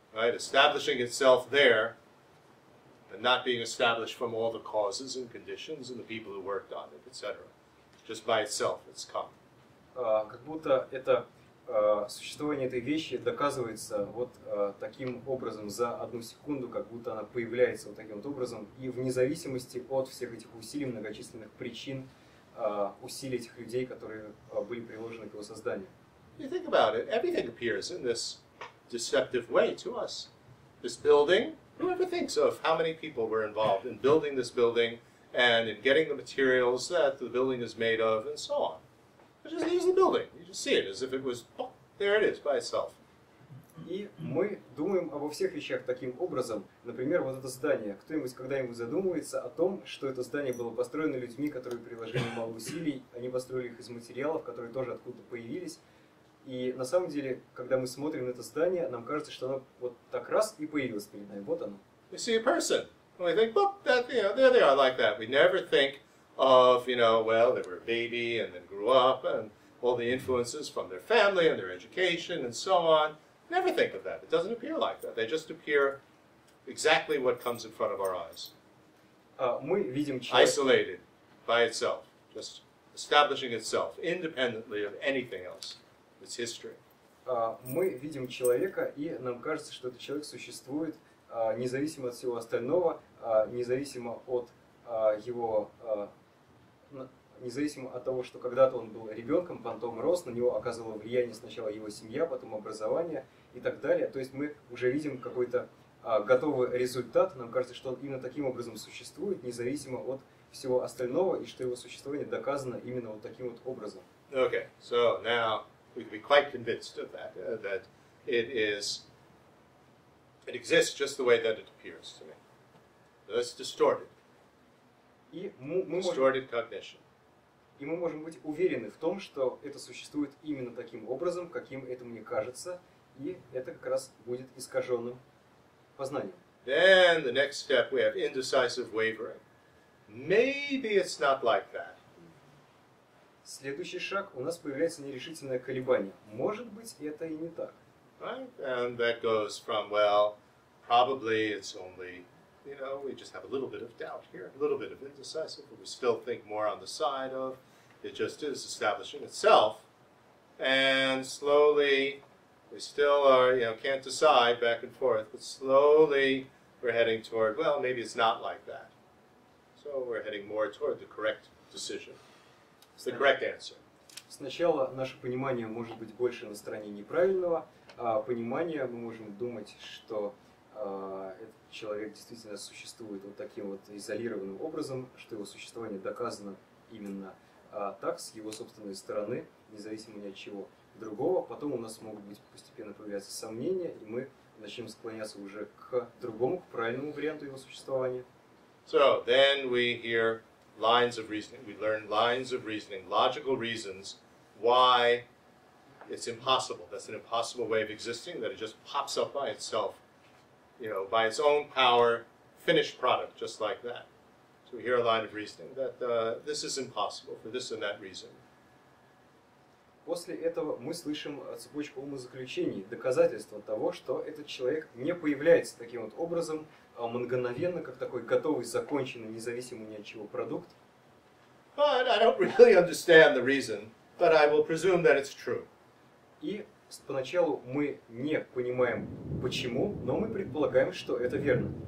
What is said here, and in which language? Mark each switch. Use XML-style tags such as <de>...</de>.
<en>Right, establishing itself there, and not being established from all the causes and conditions and the people who worked on it, etc. Just by itself, it's come.</en> <ru>Как будто это существование этой вещи доказывается вот таким образом за одну секунду, как будто она появляется вот таким вот образом, и вне зависимости от всех этих усилий, многочисленных причин, усилий этих людей, которые были приложены к его созданию.</ru> <en>You think about it, everything appears in this deceptive way to us. This building, who ever thinks of how many people were involved in building this building and in getting the materials that the building is made of and so on. It's just, here's the building, you just see it as if it was, oh, there it is, by itself.</en> <ru>И мы думаем обо всех вещах таким образом. Например, вот это здание. Кто-нибудь когда-нибудь задумывается о том, что это здание было построено людьми, которые приложили мало усилий, они построили их из материалов, которые тоже откуда-то появились. И на самом деле, когда мы смотрим на это здание, нам кажется, что оно вот так раз и появилось перед нами. Вот оно.</ru> <en>We see a person. We think, well, that, you know, there they are, like that. We never think of, you know, well, they were a baby and then grew up and all the influences from their family and their education and so on. Never think of that. It doesn't appear like that. They just appear exactly what comes in front of our eyes.</en> <ru>Мы видим человека.</ru> <en>Isolated by itself, just establishing itself independently of anything else. It's history.</en> <ru>Мы видим человека, и нам кажется, что этот человек существует независимо от всего остального, независимо от его независимо от того, что когда-то он был ребенком, потом рос, на него оказывало влияние сначала его семья, потом образование и так далее. То есть мы уже видим какой-то готовый результат. Нам кажется, что он именно таким образом существует, независимо от всего остального, и что его существование доказано именно вот таким вот образом.</ru> <en>Okay, so now we can be quite convinced of that, that it exists just the way that it appears to me. That's distorted. Distorted cognition.</en> <ru>И мы можем быть уверены в том, что это существует именно таким образом, каким это мне кажется, и это как раз будет искаженным познанием.</ru> <en>Then the next step we have indecisive wavering. Maybe it's not like that.</en> <ru>Следующий шаг, у нас появляется нерешительное колебание. Может быть, это и не так.</ru> <en>Right? And that goes from, well, probably it's only, you know, we just have a little bit of doubt here, a little bit of indecisive, but we still think more on the side of it just is establishing itself, and slowly we still are, you know, can't decide back and forth, but slowly we're heading toward, well, maybe it's not like that. So we're heading more toward the correct decision. It's the correct answer.</en> <ru>Сначала наше понимание может быть больше на стороне неправильного, а понимание мы можем думать, что этот человек действительно существует вот таким вот изолированным образом, что его существование доказано именно так, с его собственной стороны, независимо ни от чего другого. Потом у нас могут быть постепенно появляться сомнения, и мы начнем склоняться уже к другому, к правильному варианту его существования.</ru> <en>So, then we hear lines of reasoning, we learn lines of reasoning, logical reasons why it's impossible. That's an impossible way of existing, that it just pops up by itself, you know, by its own power, finished product, just like that. So we hear a line of reasoning that this is impossible for this and that reason.</en> <ru>После этого мы слышим цепочку умозаключений, доказательства того, что этот человек не появляется таким вот образом, мгновенно, как такой готовый, законченный, независимый ни от чего продукт.</ru> <en>But I don't really understand the reason, but I will presume that it's true.</en> <ru>И поначалу мы не понимаем почему, но мы предполагаем, что это верно.</ru>